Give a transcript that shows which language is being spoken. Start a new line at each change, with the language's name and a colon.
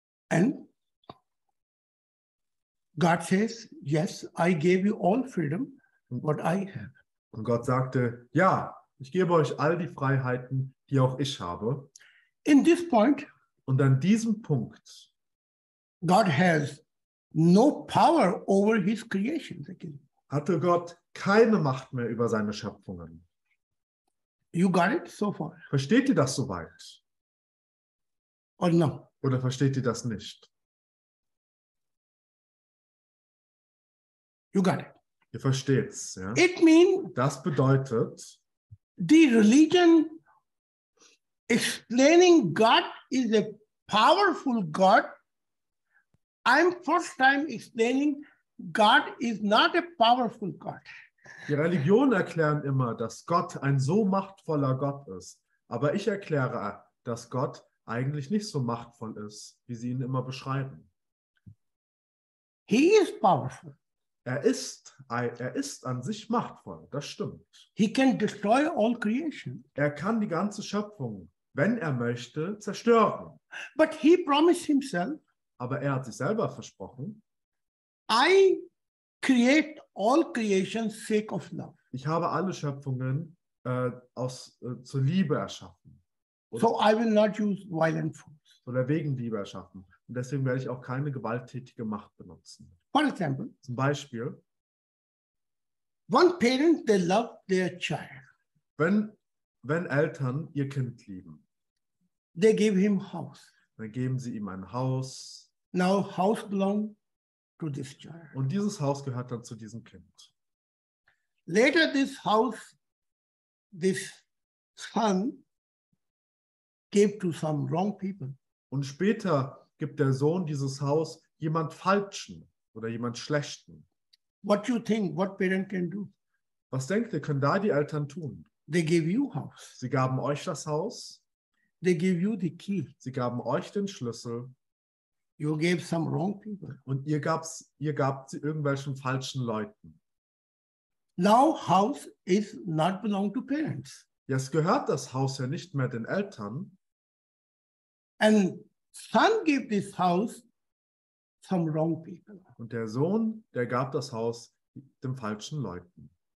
English: And God says, yes, I gave you all freedom, what I have.
German: Und Gott sagte, ja, ich gebe euch all die Freiheiten, die auch ich habe.
English: In this point,
German: und an diesem Punkt,
English: God has no power over his creations again.
German: Hatte Gott keine Macht mehr über seine Schöpfungen.
English: You got it so far.
German: Versteht ihr das soweit?
English: Or no?
German: Oder versteht ihr das nicht?
English: You got it.
German: Ihr versteht's, ja?
English: It mean,
German: das bedeutet,
English: the religion explaining God is a powerful God. I'm first time explaining God is not a powerful God.
German: Die Religionen erklären immer, dass Gott ein so machtvoller Gott ist. Aber ich erkläre, dass Gott eigentlich nicht so machtvoll ist, wie sie ihn immer beschreiben.
English: He is powerful.
German: Er ist an sich machtvoll, das stimmt.
English: He can destroy all creation.
German: Er kann die ganze Schöpfung, wenn er möchte, zerstören.
English: But he promised himself,
German: aber er hat sich selber versprochen,
English: I create all creation sake of love.
German: Ich habe alle Schöpfungen zur Liebe erschaffen.
English: So I will not use violent force.
German: Oder wegen Liebe erschaffen. Und deswegen werde ich auch keine gewalttätige Macht benutzen.
English: For example,
German: zum Beispiel,
English: one parent, they love their child.
German: Wenn Eltern ihr Kind lieben,
English: they give him house.
German: Dann geben sie ihm ein Haus.
English: Now house belong to this child.
German: Und dieses Haus gehört dann zu diesem Kind.
English: Later this house, this son gave to some wrong people.
German: Und später gibt der Sohn dieses Haus jemand Falschen oder jemand Schlechten.
English: What you think, what parent can do?
German: Was denkt ihr, können da die Eltern tun?
English: They gave you house.
German: Sie gaben euch das Haus.
English: They gave you the key.
German: Sie gaben euch den Schlüssel.
English: You gave some wrong people.
German: Und ihr gabt sie irgendwelchen falschen Leuten.
English: Now house is not belong to parents.
German: Jetzt gehört das Haus ja nicht mehr den Eltern.
English: And son gave this house some wrong people.
German: Und der Sohn, der gab das Haus dem falschen Leuten.